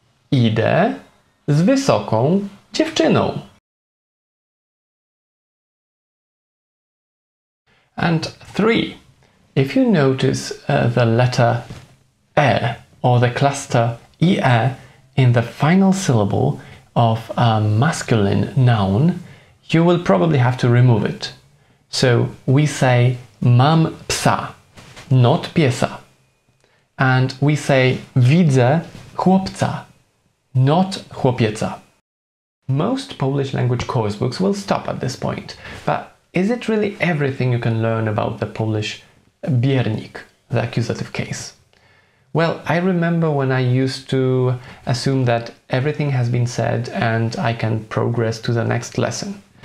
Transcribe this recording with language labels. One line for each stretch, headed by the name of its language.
Polish: Idę z wysoką dziewczyną.
English: And three, if you notice the letter e or the cluster ie in the final syllable of a masculine noun, you will probably have to remove it. So we say
Polish: Mam psa,
English: not
Polish: piesa.
English: And we say
Polish: widzę chłopca,
English: not
Polish: chłopieca.
English: Most Polish language course books will stop at this point, but is it really everything you can learn about the Polish biernik, the accusative case? Well, I remember when I used to assume that everything has been said and I can progress to the next lesson.